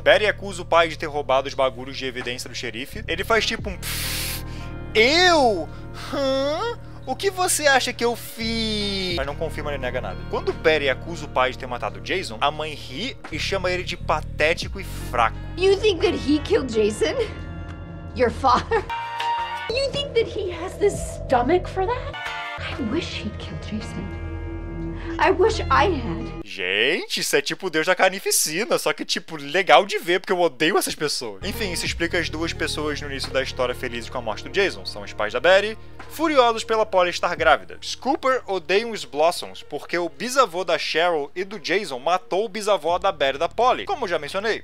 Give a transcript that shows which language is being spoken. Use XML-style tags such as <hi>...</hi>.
<pt>Barry acusa o pai de ter roubado os bagulhos de evidência do xerife. Ele faz tipo um... Eu? Hã? O que você acha que eu fiz? Mas não confirma nem nega nada. Quando Barry acusa o pai de ter matado Jason, a mãe ri e chama ele de patético e fraco.</pt> <en>You think that he killed Jason? Your father? You think that he has the stomach for that? I wish he'd killed Jason. I wish I had.</en> <pt>Gente, isso é tipo o Deus da Carnificina, só que tipo, legal de ver, porque eu odeio essas pessoas. Enfim, isso explica as duas pessoas no início da história felizes com a morte do Jason. São os pais da Barry, furiosos pela Polly estar grávida. Scooper odeia os Blossoms, porque o bisavô da Cheryl e do Jason matou o bisavô da Barry e da Polly, como já mencionei.</pt>